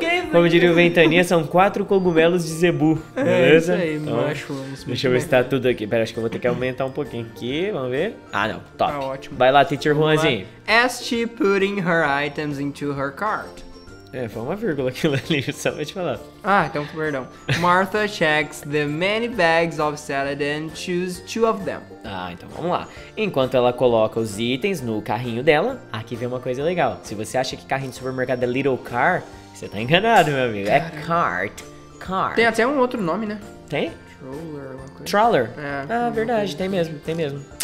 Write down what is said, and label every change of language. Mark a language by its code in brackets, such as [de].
[pt] Como diria o Ventania, são 4 cogumelos de zebu. Beleza? É isso aí, então, mushrooms. Deixa eu ver se tá tudo aqui. Pera, acho que eu vou ter que aumentar um pouquinho aqui. Vamos ver. Ah, não. Top. Tá ótimo. Vai lá, teacher Juanzinho. [en] As she putting her items into her cart. [pt] É, foi uma vírgula aquilo ali, só pra te falar. Ah, então, perdão. [en] Martha checks the many bags of salad and chooses 2 of them. [pt] Ah, então vamos lá. Enquanto ela coloca os itens no carrinho dela, aqui vem uma coisa legal. Se você acha que carrinho de supermercado é [en] little car, [pt] você tá enganado, meu amigo. Caramba. É cart. Cart. Tem até um outro nome, né? Tem? Troller. É. Ah, verdade, tem mesmo, tem mesmo.